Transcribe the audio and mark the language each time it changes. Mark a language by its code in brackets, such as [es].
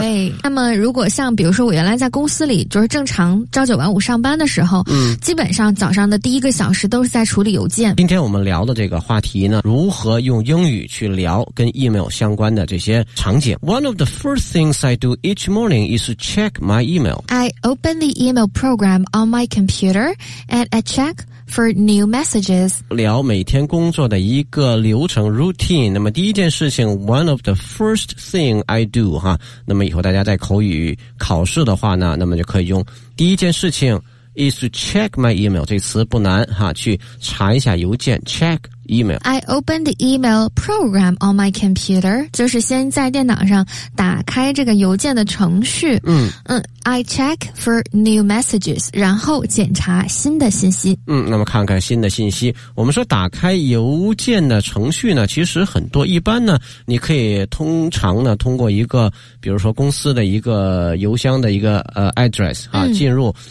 [zh] 对，那么如果像比如说我原来在公司里，就是正常朝九晚五上班的时候，嗯，基本上早上的第一个小时都是在处理邮件。今天我们聊的这个话题呢，如何用英语去聊跟 email 相关的这些场景。 [en] One of the first things I do each morning is to check my email. I open the email program on my computer and I check. For new messages. [zh] 聊每天工作的一个流程 routine. 那么第一件事情 one of the first thing I do, 哈。那么以后大家在口语考试的话呢，那么就可以用第一件事情 is to check my email. 这词不难哈，去查一下邮件 check email. [en] I open the email program on my computer. [zh] 就是先在电脑上打开这个邮件的程序。嗯 [en] 嗯。I check for new messages，然后检查新的信息。 [zh] 嗯，那么看看新的信息。我们说打开邮件的程序呢，其实很多，一般呢，你可以通常呢，通过一个，比如说公司的一个邮箱的一个address 啊，进入。